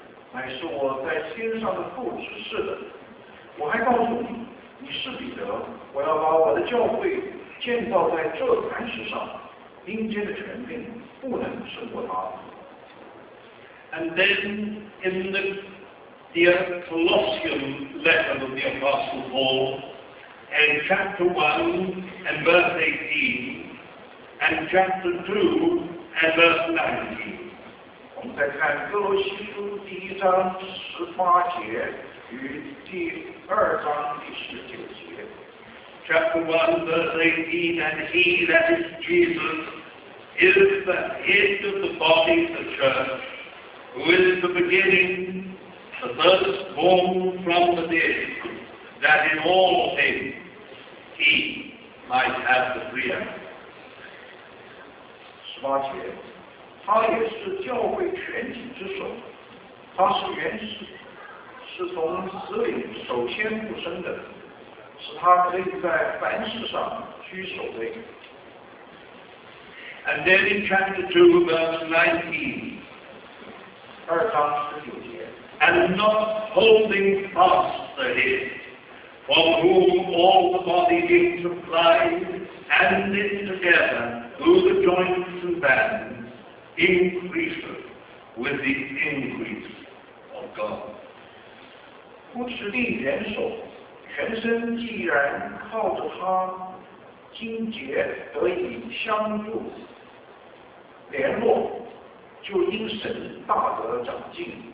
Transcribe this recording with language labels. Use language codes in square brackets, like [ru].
[zh] 西门彼得回答说：“你是基督，是永生神的儿子。”耶稣对他说：“西门巴约拿，你是有福的，因为这不是属血肉的指示你的，乃是我在天上的父指示的。” 我还告诉你，你是彼得，我要把我的教会建造在这磐石上，阴间的权柄不能胜过他。 [en] And then in the dear Colossian letter of the Apostle Paul, and chapter 1 and verse 18, and chapter 2 and verse 19. [zh] 我们再看哥罗西书第1章18节。 [en] Chapter 1, verse 18, And he, that is Jesus, is the head of the body of the church, who is the beginning, the firstborn from the dead, that in all things he might have the preeminence. [zh] 是从死里首先复生的，使他可以在凡事上居首位。 [en] And then in chapter 2, verse 19, [zh] 2章19节, [en] And not holding fast the head, from whom all the body being supplied and knit together through the joints and bands, increaseth with the increase of God. [zh] 不持定元首，全身既然靠着他，筋节得以相助联络，就因神大得长进。